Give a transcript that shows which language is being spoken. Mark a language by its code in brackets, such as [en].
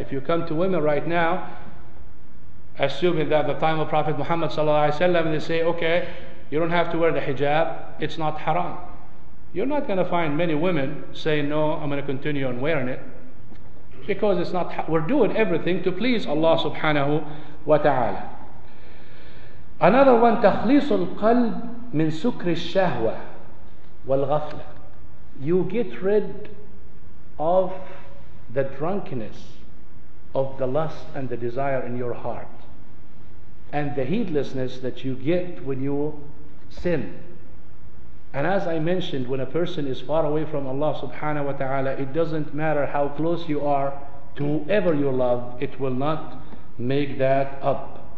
[en] If you come to women right now, assuming that the time of Prophet Muhammad sallallahu alaihi wasallam, they say, okay, you don't have to wear the hijab, it's not haram. You're not going to find many women saying, no, I'm going to continue on wearing it, because it's not. We're doing everything to please Allah subhanahu wa ta'ala. Another one, [ar] تخليص القلب من سكر الشهوة والغفلة. [en] You get rid of the drunkenness of the lust and the desire in your heart, and the heedlessness that you get when you sin. And as I mentioned, when a person is far away from Allah subhanahu wa ta'ala, it doesn't matter how close you are to whoever you love, it will not make that up.